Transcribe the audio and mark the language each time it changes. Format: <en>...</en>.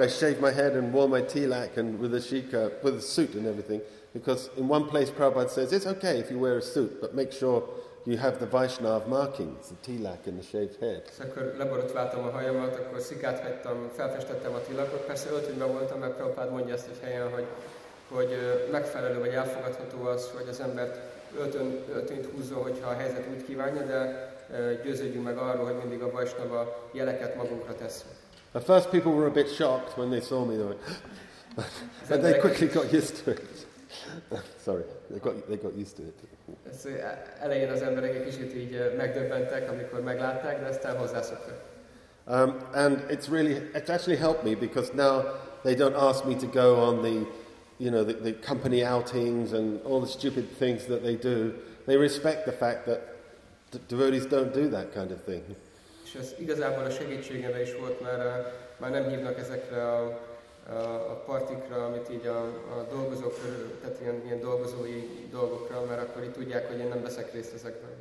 <en>I shaved my head and wore my tilak and with a shika, with a suit and everything. Because in one place Prabhupada says, it's okay if you wear a suit, but make sure you have the Vaishnav markings, the tilak and the shaved head.</en> <hu>So akkor leborotváltam a hajamat, akkor szikát vettem, felfestettem a tilakot. Persze öltönyben voltam, mert Prabhupada mondja ezt egy helyen, hogy megfelelő vagy elfogadható az, hogy az embert öltönyt húzza, hogyha a helyzet úgy kívánja, de győződjünk meg arról, hogy mindig a Vaishnava jeleket magunkra tesszük.</hu> <en>The first people were a bit shocked when they saw me, though. But they quickly got used to it. Sorry, they got used to it.</en> <hu>Elején az emberek egy kicsit így megdöbbentek, amikor meglátták, de aztán hozzászoktak.</hu> <en>And it's actually helped me, because now they don't ask me to go on the company outings and all the stupid things that they do. They respect the fact that devotees don't do that kind of thing.</en> <hu>És ez igazából a segítségem is volt, mert már nem hívnak ezekre a partikra, amit így a dolgozók körül, tehát ilyen dolgozói dolgokra, mert akkor így tudják, hogy én nem veszek részt ezekben.</hu>